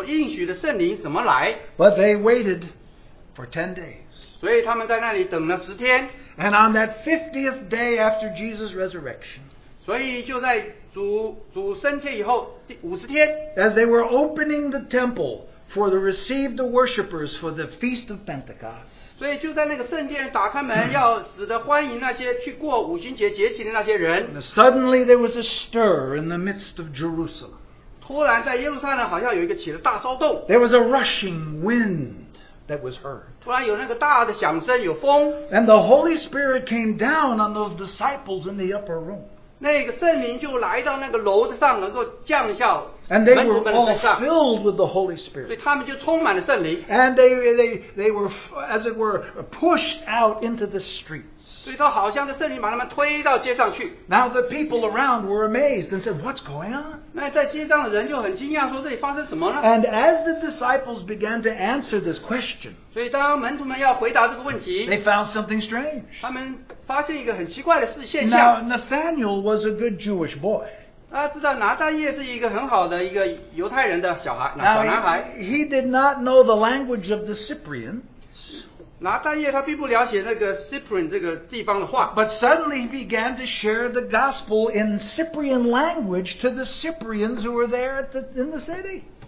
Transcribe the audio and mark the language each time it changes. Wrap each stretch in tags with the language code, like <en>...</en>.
<zh>门徒们并不了解这个所应许的圣灵怎么来。</zh> <en>But they waited for 10 days.</en> <zh>所以他们在那里等了10天,</zh> <en>and on that 50th day after Jesus' resurrection,</en> <zh>所以就在主升天以后50天,</zh> <en>as they were opening the temple for the received the worshippers for the feast of Pentecost,</en> <zh>所以就在那个圣殿打开门, 要使得欢迎那些去过五旬节节期的那些人,</zh> <en>and suddenly there was a stir in the midst of Jerusalem.</en> <zh>突然在耶路撒冷好像有一个起了大骚动,</zh> <en>there was a rushing wind that was heard.</en> <zh>突然有那个大的响声，有风。</zh> <en>And the Holy Spirit came down on those disciples in the upper room.</en> <zh>那个圣灵就来到那个楼上，能够降下。</zh> <en>And they were all filled with the Holy Spirit.</en> <zh>所以他们就充满了圣灵。</zh> <en>And they were, as it were, pushed out into the streets.</en> <zh>所以他好像这圣灵把他们推到街上去。</zh> <en>Now the people around were amazed and said, "What's going on?"</en> <zh>那在街上的人就很惊讶，说这里发生什么了？</zh> <en>And as the disciples began to answer this question,</en> <zh>所以当门徒们要回答这个问题,</zh> <en>they found something strange.</en> <zh>他们发现一个很奇怪的现象。</zh> <en>Now Nathanael was a good Jewish boy.</en> <zh>他知道拿大业是一个很好的一个犹太人的小孩，小男孩。</zh> <en>Now he did not know the language of the Cyprians.</en> <zh>拿大业他并不了解那个Cyprian这个地方的话。</zh> <en>But suddenly he began to share the gospel in Cyprian language to the Cyprians who were there at the, in the city.</en>